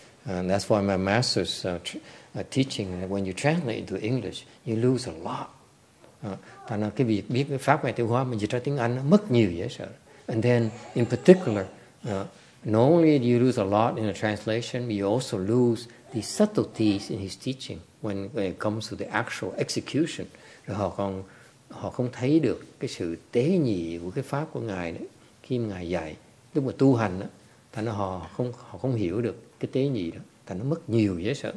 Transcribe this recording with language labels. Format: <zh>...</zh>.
<en>And that's why my master's teaching that when you translate into English, you lose a lot.</en> <vi>Tại nó cái việc biết pháp ngoại tiêu hóa mình dịch ra tiếng Anh nó mất nhiều dễ sợ.</vi> <en>And then in particular, not only do you lose a lot in a translation, but you also lose the subtleties in his teaching when it comes to the actual execution.</en> <vi>Rồi họ không thấy được cái sự tế nhị của cái pháp của ngài đấy khi mà ngài dạy lúc mà tu hành đó, thành họ không hiểu được cái tế nhị đó, thành nó mất nhiều dễ sợ.</vi>